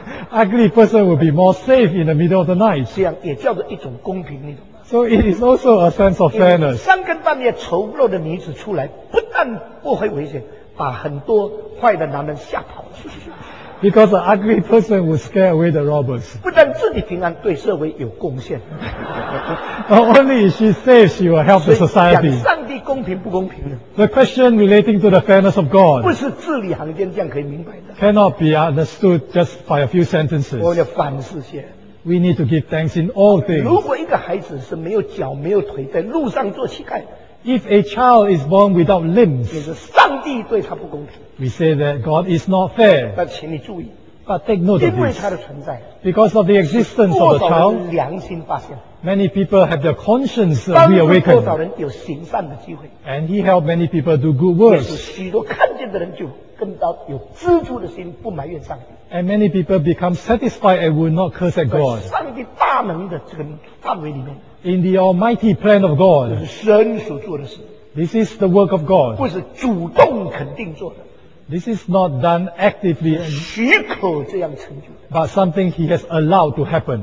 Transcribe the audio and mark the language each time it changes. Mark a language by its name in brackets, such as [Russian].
[English] Ugly person will be more safe in the middle of the night. [Chinese] 这样也叫做一种公平，你懂吗？ [English] So it is also a sense of fairness. [Chinese] 三更半夜丑陋的女子出来，不但不会危险。把很多坏的男人吓跑了。 [English] Because an ugly person would scare away the robbers. [Chinese] 不但自己平安，对社会有贡献。 [English] Not only is she safe, she will help the society. [Chinese] 讲上帝公平不公平呢？ [English] The question relating to the fairness of God. [Chinese] 不是字里行间这样可以明白的。 [English] Cannot be understood just by a few sentences. [Chinese] 我要反思些。 [English] We need to give thanks in all things. [Chinese] 如果一个孩子是没有脚没有腿，在路上做乞丐。 [English] If a child is born without limbs, [Chinese] 也是上帝对他不公平。 [English] We say that God is not fair. [Chinese] 但请你注意， [English] but take note of this. [Chinese] 因为他的存在， [English] because of the existence of the child, [Chinese] 多少人良心发现？ [English] Many people have their conscience reawakened. [Chinese] 多少人有行善的机会？ [English] And he helped many people do good works. [Chinese] 也许许多看见的人就更加有知足的心，不埋怨上帝。 [English] And many people become satisfied and will not curse at God. [Chinese] 在上帝大能的这个范围里面。 [English] In the almighty plan of God, [Chinese] 这是神所做的事。 [English] This is the work of God. [Chinese] 不是主动肯定做的。 [English] This is not done actively. [Chinese] 许可这样成就的。 [English] But something he has allowed to happen.